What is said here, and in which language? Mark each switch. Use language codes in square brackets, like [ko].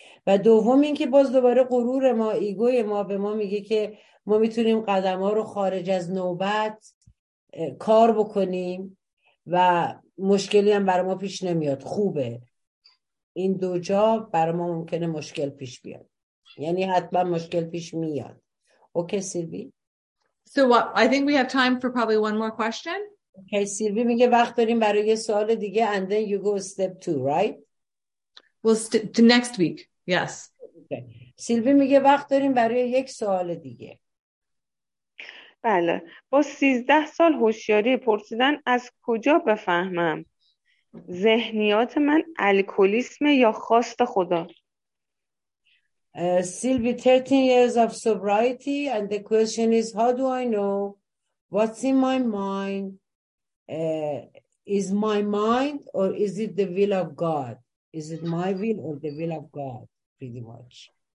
[fa] و دوم این که باز دوباره غرور ما، ایگوی ما به ما میگه که ما میتونیم قدم ها رو خارج از نوبت کار بکنیم و مشکلی هم برای ما پیش نمیاد. خوبه، این دو جا برای ما ممکنه مشکل پیش بیاد، یعنی حتما مشکل پیش میاد. اوکی سیلوی. [en] So what, I think we have time for probably one more question. [fa] اوکی سیلوی میگه وقت داریم برای یه سوال دیگه. [en] And then you go step two, right? Well, to next week, yes. Okay. [fa] سیلوی میگه وقت داریم برای یک سوال دیگه. بله، با 13 سال هوشیاری پرسیدن از کجا بفهمم ذهنیات من الکولیسم یا خواست خدا؟ [en] Sylvie, 13 years of sobriety, and the question is, how do I know what's in my mind? Is my mind or is it the will of God? Is it my will or the will of God, pretty much?